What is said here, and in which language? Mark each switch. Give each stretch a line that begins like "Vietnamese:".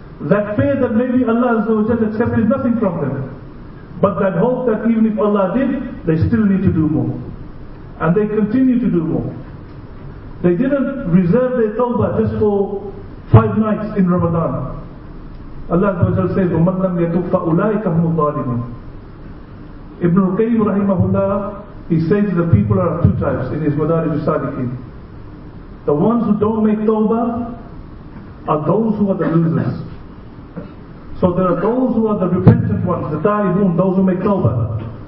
English: That fear that maybe Allah Azza wa Jalla accepted nothing from them. But that hope that even if Allah did, they still need to do more. And they continued to do more. They didn't reserve their tawbah just for 5 nights in Ramadan.
Arabic: Allah Azza wa Jalla says, وَمَنْ لَمْ يَتُبْ فَأُولَٰئِكَ هُمُ الظَّالِمُونَ.
English: Ibn al-Qayyim rahimahullah, he says the people are of two types in his Madarij al-Salikin. The ones who don't make tawbah are those who are the losers. So there are those who are the repentant ones, the ta'ibun, those who make tawbah.